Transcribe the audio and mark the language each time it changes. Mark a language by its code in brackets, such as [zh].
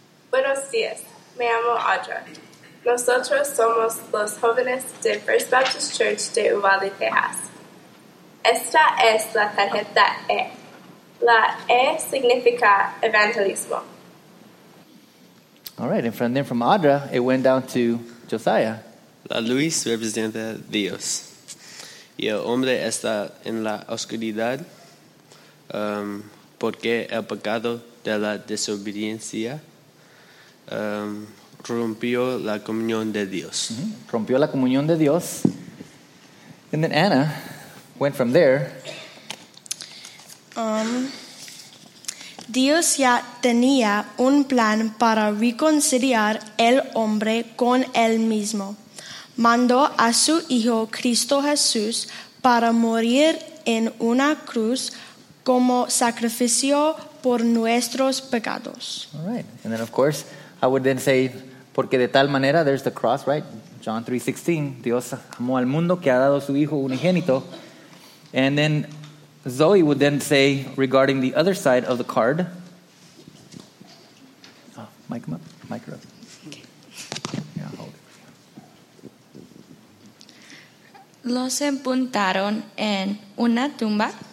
[es] Buenos dias. Me llamo Audra. Nosotros somos los jóvenes de First Baptist Church de Uvalde, Texas. Esta es la tarjeta E. La E significa evangelismo. [en] All right, and from then from Audra, it went down to Josiah. [es] La Luis representa Dios. Y el hombre está en la oscuridad porque el pecado de la desobediencia rompió la comunión de Dios. [en] Mm-hmm. [es] Rompió la comunión de Dios. [en] And then Anna went from there. [es] Dios ya tenía un plan para reconciliar el hombre con él mismo. Mandó a su hijo Cristo Jesús para morir en una cruz como sacrificio por nuestros pecados. [en] All right. And then, of course, I would then say, [es] porque de tal manera, [en] there's the cross, right? [es] John 3:16, Dios amó al mundo que ha dado su hijo unigénito. [en] And then Zoe would then say, regarding the other side of the card. Oh, mic him up. Mic her up. Okay. Yeah, hold it. [es] los empuntaron en una tumba.